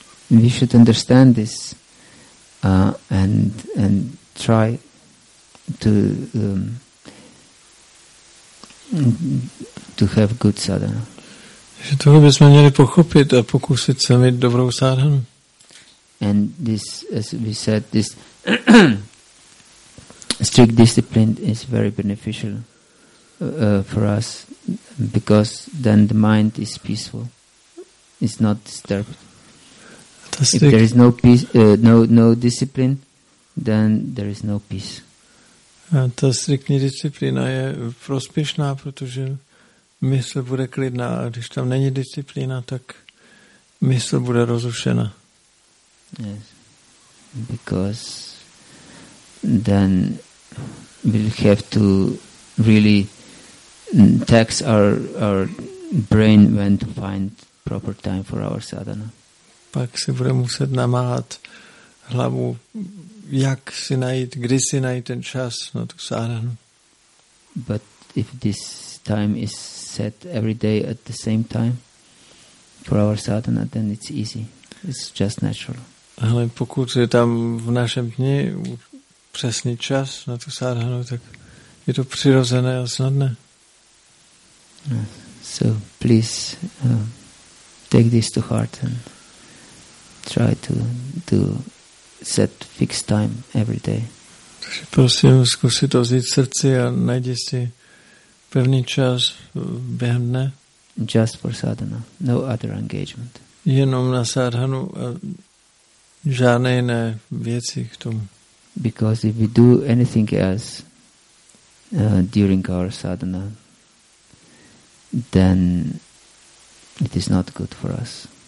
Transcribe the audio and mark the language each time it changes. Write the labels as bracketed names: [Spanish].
[English] We should understand this and try to have good sadhana. [Czech] Že tohle bychom měli pochopit a pokusit se mít dobrou sádhanu. [English] And this, as we said, this strict discipline is very beneficial for us, because then the mind is peaceful, it's not disturbed. Fantastic. If there is no peace, no discipline, then there is no peace. [Czech] Ta striktní disciplína je prospěšná, protože mysl bude klidná, a když tam není disciplína, tak mysl bude rozrušena. [English] Yes, because then we'll have to really tax our brain when to find proper time for our sadhana. [Czech] Pak si bude muset namáhat hlavu, jak si najít, kdy si najít ten čas na tu sadhanu. [English] But if this time is set every day at the same time for our sadhana, then it's easy. It's just natural. [Czech] Ale pokud je tam v našem dni přesný čas na tu sadhanu, tak je to přirozené a snadné. [English] So please take this to heart and try to set fixed time every day. [Czech] Prosím, zkusit to vzít srdci a najdi si pevný čas během dne. [English] Just for sadhana, no other engagement. [Czech] Jenom na sadhanu a žádné jiné věci k tomu. [English] Because if we do anything else during our sadhana, then it is not good for us.